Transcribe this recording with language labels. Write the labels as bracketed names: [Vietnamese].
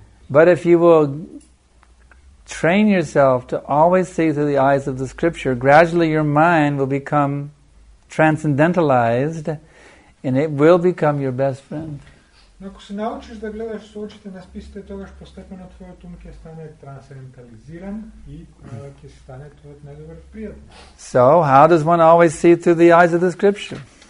[English] But if you will train yourself to always see through the eyes of the scripture, gradually your mind will become transcendentalized, and it will become your best friend. [Macedonian] Ако се научиш да гледаш со очите на списите, тогаш постепено твојот ум ќе стане трансцендентализиран и ќе стане твојот најдобар пријател. [English] So, how does one always see through the eyes of the scripture?